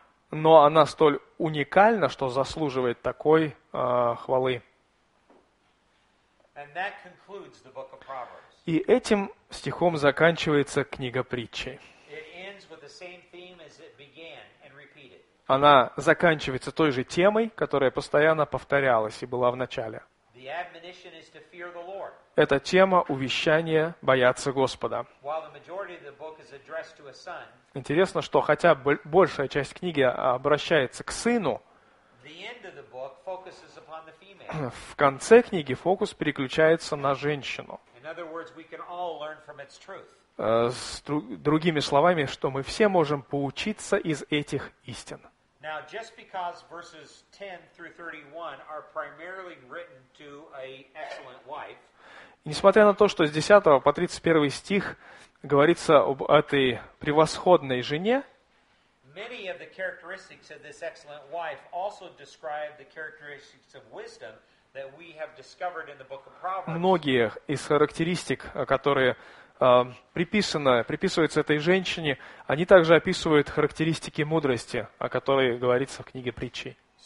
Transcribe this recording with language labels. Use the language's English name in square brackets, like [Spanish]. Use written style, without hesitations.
[Russian] но она столь уникальна, что заслуживает такой хвалы. [English] And that concludes the book of Proverbs. [Russian] И этим стихом заканчивается книга притчей. [English] It ends with the same theme as it began and repeated. [Russian] Она заканчивается той же темой, которая постоянно повторялась и была в начале. [English] The admonition is to fear the Lord. [Russian] Это тема увещания бояться Господа. [English] While the majority of the book is addressed to a son, [Russian] интересно, что хотя большая часть книги обращается к сыну, [English] the end of the book focuses upon the female. [Russian] В конце книги фокус переключается на женщину. [English] In other words, we can all learn from its truth. [Russian] Другими словами, что мы все можем поучиться из этих истин. [English] Now, just because verses 10 through 31 are primarily written to an excellent wife, [Russian] несмотря на то, что с 10 по 31 стих говорится об этой превосходной жене, [English] many of the characteristics of this excellent wife also describe the characteristics of wisdom that we have discovered in the book of Proverbs. [Russian] Многие из характеристик, которые приписываются этой женщине, они также описывают характеристики мудрости, о которой говорится в книге притчей.